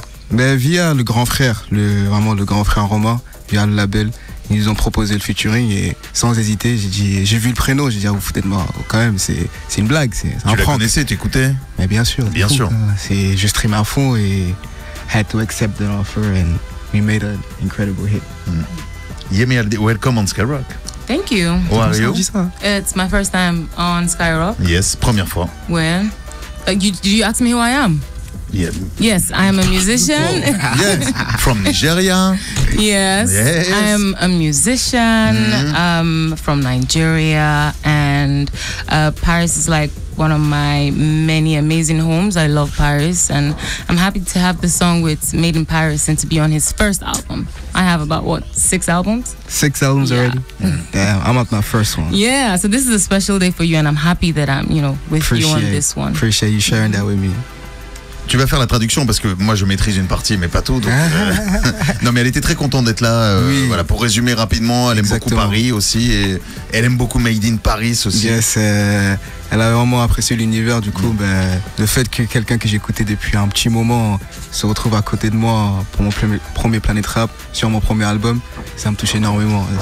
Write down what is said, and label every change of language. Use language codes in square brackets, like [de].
[fr] Mais via le grand frère, le grand frère Romain, via le label, ils nous ont proposé le featuring et sans hésiter, j'ai vu le prénom, j'ai dit ah, vous foutez de moi, quand même, c'est une blague, c'est un prank. Tu connaissais, tu écoutais? Mais bien sûr. Bien sûr. Je stream à fond et [en] I had to accept the offer and we made an incredible hit. Yemi Alade, welcome on Skyrock. Thank you. How are you? It's my first time on Skyrock. [fr] Yes, première fois. [en] Well, you ask me who I am? Yeah. Yes, I am a musician. Oh, yes, from Nigeria. Yes. I am a musician from Nigeria. And Paris is like one of my many amazing homes. I love Paris. And I'm happy to have the song with Made in Paris and to be on his first album. I have about, what, six albums? Six albums already? Damn, I'm at my first one. Yeah, so this is a special day for you. And I'm happy that I'm, you know, with appreciate, you on this one. Appreciate you sharing that with me. [fr] Tu vas faire la traduction parce que moi je maîtrise une partie mais pas tout. Donc, non mais elle était très contente d'être là. Oui. Voilà, pour résumer rapidement, elle aime beaucoup Paris aussi et elle aime beaucoup Made in Paris aussi. Yes, elle a vraiment apprécié l'univers du coup. Ben, le fait que quelqu'un que j'écoutais depuis un petit moment se retrouve à côté de moi pour mon premier Planète Rap sur mon premier album, ça me touche énormément.